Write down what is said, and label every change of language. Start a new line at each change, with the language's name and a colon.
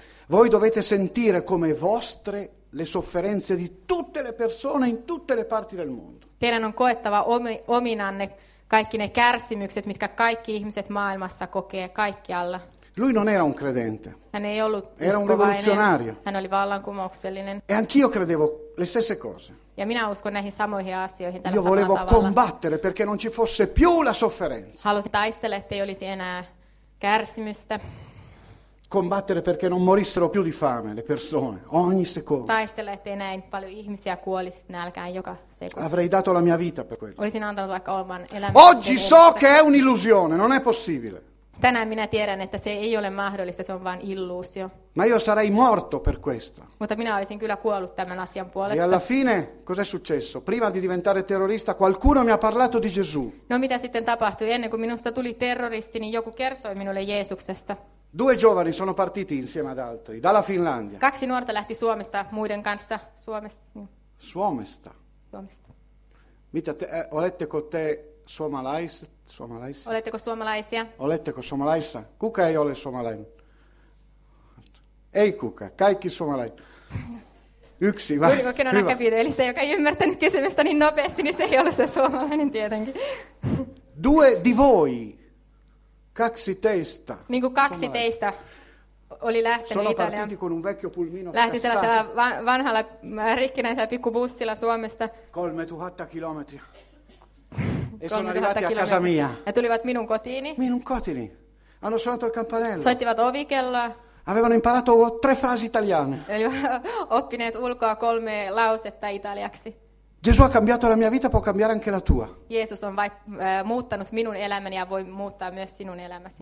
Italian: Voi dovete sentire come vostre le sofferenze di tutte le persone in tutte le parti del mondo.
Finnish: Teidän on koettava ominanne kaikki ne kärsimykset, mitkä kaikki ihmiset maailmassa kokee kaikkialla.
Italian: Lui non era un credente.
Finnish: Hän ei ollut uskovainen.
Italian: Era un rivoluzionario.
Finnish: Hän oli vallankumouksellinen.
Italian: E anch'io credevo le stesse cose.
Finnish: Ja minä uskon näihin samoihin asioihin tällä samalla tavalla.
Italian: Io volevo combattere perché non ci fosse più la sofferenza.
Finnish: Halusin taistella, ettei olisi enää kärsimystä.
Italian: Combattere perché non morissero più di fame le persone ogni secondo.
Finnish: Taistella, ettei näin paljon ihmisiä kuolisi nälkään joka sekunti.
Italian: Avrei dato la mia vita per quello.
Finnish: Olisin antanut vaikka oman elämän.
Italian: Oggi so che è un'illusione, non è possibile.
Finnish: Tänään minä tiedän, että se ei ole mahdollista, se on vain illuusio.
Italian: Ma io sarei morto per questo.
Finnish: Mutta minä olisin kyllä kuollut tämän asian puolesta.
Italian: E alla fine, cos'è successo? Prima di diventare terrorista, qualcuno mi ha parlato di Gesù.
Finnish: No mitä sitten tapahtui? Ennen kuin minusta tuli terroristi, niin joku kertoi minulle Jeesuksesta.
Italian: Due giovani sono partiti insieme ad altri, dalla Finlandia.
Finnish: Kaksi nuorta lähti Suomesta muiden kanssa. Suomesta. Mitä te, oletteko te suomalaiset? Suomalaisia. Oletteko suomalaisia? Oletteko suomalaisia? Kuka ei ole suomalainen? Ei kuka, kaikki suomalainen. Yksi, vai? Kuulinko kenona käpiitä, eli se, joka ei ymmärtänyt kysymystä niin nopeasti, niin se ei ole se suomalainen tietenkin.
Italian: Due di voi,
Finnish: kaksi teistä. Niin kuin kaksi teistä oli lähtenyt
Italian: Sono
Finnish: Italiaan.
Italian: Sono partiti con un vecchio pulmino.
Finnish: Lähti tällaisella vanhalla rikkinäisellä pikkubussilla Suomesta. 3000 kilometriä.
Italian: E sono arrivati a casa mia.
Finnish: E tulivat minun kotiini. Minun kotiini.
Italian: Hanno suonato il campanello.
Finnish: Soittivat ovikelloa.
Italian: Avevano imparato tre frasi italiane.
Finnish: Oppineet ulkoa 3 lausetta italiaksi.
Italian: Gesù ha cambiato la mia vita, può cambiare anche la tua.
Finnish: Jeesus on muuttanut minun elämäni ja voi muuttaa myös sinun elämäsi.